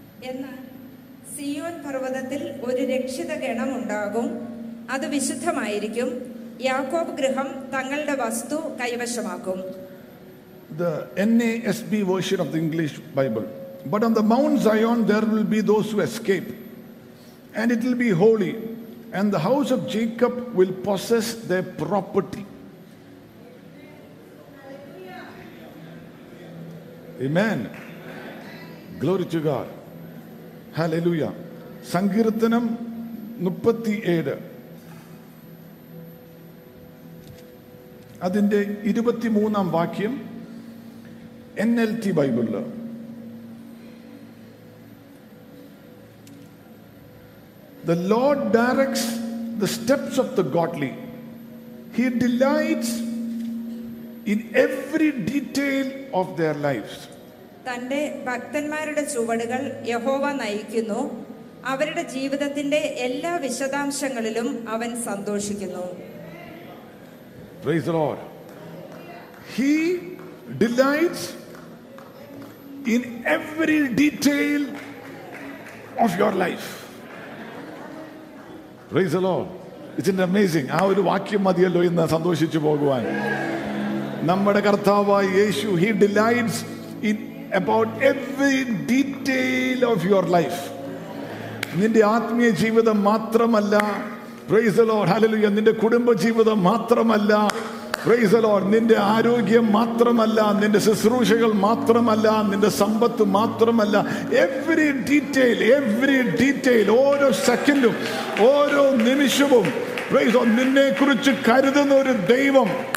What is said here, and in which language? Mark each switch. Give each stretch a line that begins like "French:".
Malayalam: എന്നാൽ സിയോൻ പർവ്വതത്തിൽ ഒരു രക്ഷിത ഗണം ഉണ്ടാകും, അത് വിശുദ്ധമായിരിക്കും. യാക്കോബ് ഗൃഹം തങ്ങളുടെ വസ്തു കൈവശമാക്കും.
English: The NASB version of the English Bible. But on the Mount Zion there will be those who escape, and it will be holy, and the house of Jacob will possess their property. Amen. Glory to God. Hallelujah.
Malayalam: Sangirtanam 37 adinde 23am vakyam NLT Bible.
English: The Lord directs the steps of the godly. He delights in every detail of their lives.
Malayalam: തന്റെ ഭക്തന്മാരുടെ ചുവടുകൾ യഹോവ നയിക്കുന്നു. അവരുടെ ജീവിതത്തിന്റെ എല്ലാ വിശദാംശങ്ങളിലും അവൻ സന്തോഷിക്കുന്നു.
English: Praise the Lord. He delights in every detail of your life. Praise the Lord. Isn't it amazing?
Malayalam: ആ ഒരു വാക്യം മതിയല്ലോ ഇന്ന് സന്തോഷിച്ചു പോകുവാൻ. നമ്മുടെ കർത്താവായ യേശു,
English: He delights in about every detail of your life.
Malayalam: നിന്റെ ആത്മീയ ജീവിതം മാത്രമല്ല,
English: praise the Lord
Malayalam: ഹല്ലേലൂയ, നിന്റെ കുടുംബജീവിതം മാത്രമല്ല, പ്രൈസ് ദി ലോർഡ്, നിന്റെ ആരോഗ്യം മാത്രമല്ല, നിന്റെ ശുശ്രൂഷകൾ മാത്രമല്ല, നിന്റെ സമ്പത്ത് മാത്രമല്ല,
English: every detail, every detail,
Malayalam: ഓരോ സെക്കൻഡും ഓരോ നിമിഷവും പ്രൈസ് ഓഫ് നിന്നെ കുറിച്ച് കരുതുന്ന ഒരു ദൈവം